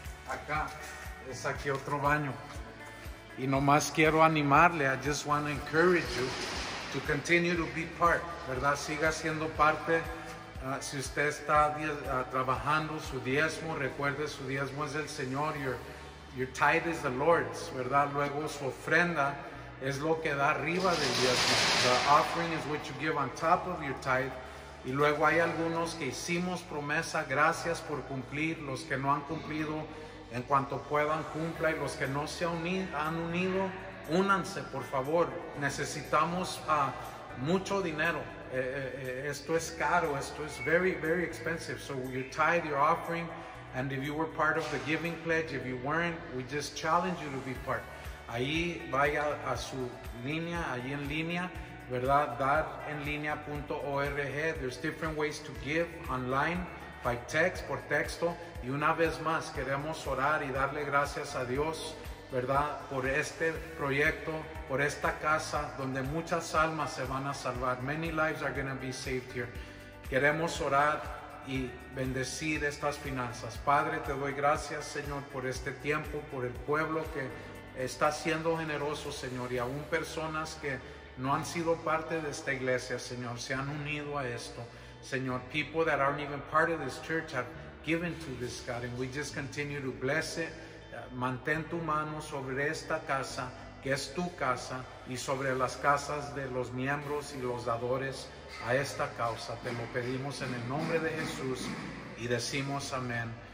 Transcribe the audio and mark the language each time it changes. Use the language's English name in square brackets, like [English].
[Spanish] Acá, es aquí otro baño. Y nomás quiero animarle, [English] I just want to encourage you to continue to be part, [Spanish] ¿verdad? Siga siendo parte. Si usted está trabajando su diezmo, recuerde, su diezmo es del Señor. [English] Your tithe is the Lord's, [Spanish] ¿verdad? Luego su ofrenda es lo que da arriba del diezmo. [English] The offering is what you give on top of your tithe. [Spanish] Y luego hay algunos que hicimos promesa, gracias por cumplir. Los que no han cumplido, en cuanto puedan, cumpla. Y los que no se han unido, únanse, por favor. Necesitamos mucho dinero. Esto es caro. Esto es [English] very, very expensive. So your tithe, your offering, and if you were part of the giving pledge, if you weren't, we just challenge you to be part. [Spanish] Ahí vaya a su línea, ahí en línea, ¿verdad? [English] darenlinea.org. There's different ways to give online, by text, [Spanish] por texto. Y una vez más, queremos orar y darle gracias a Dios, ¿verdad? Por este proyecto, por esta casa, donde muchas almas se van a salvar. [English] Many lives are going to be saved here. [Spanish] Queremos orar y bendecir estas finanzas. Padre, te doy gracias, Señor, por este tiempo, por el pueblo que está siendo generoso, Señor, y aún personas que no han sido parte de esta iglesia, Señor, se han unido a esto. [English] Señor, people that aren't even part of this church have given to this, God, and we just continue to bless it. [Spanish] Mantén tu mano sobre esta casa, que es tu casa, y sobre las casas de los miembros y los dadores a esta causa. Te lo pedimos en el nombre de Jesús y decimos amén.